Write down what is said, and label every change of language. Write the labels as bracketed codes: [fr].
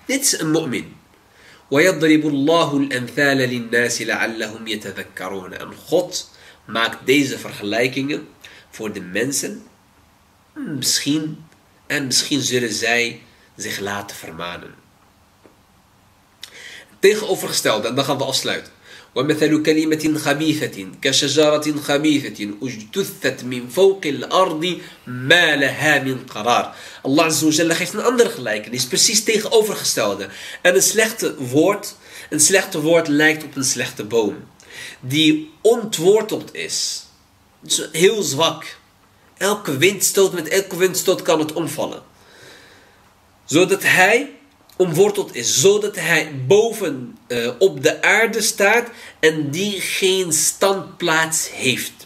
[nl] Dit is een mu'min. [ar] وَيَضْرِبُ اللَّهُ الْأَمْثَالَ لِلنَّاسِ لَعَلَّهُمْ يَتَذَكَّرُونَ. [nl] En God maakt deze vergelijkingen voor de mensen. Misschien zullen zij zich laten vermanen. Tegenovergestelde, en dan gaan we afsluiten. [ar] ومثل كلمة خبيثة كشجرة خبيثة اجتثت من فوق الأرض ما لها من قرار. [nl] الله عز وجل geeft een andere gelijkenis, precies tegenovergestelde. En een slechte woord lijkt op een slechte boom die ontworteld is, heel zwak. Elke windstoot kan het omvallen, zodat hij omworteld is, zodat hij boven op de aarde staat en die geen standplaats heeft.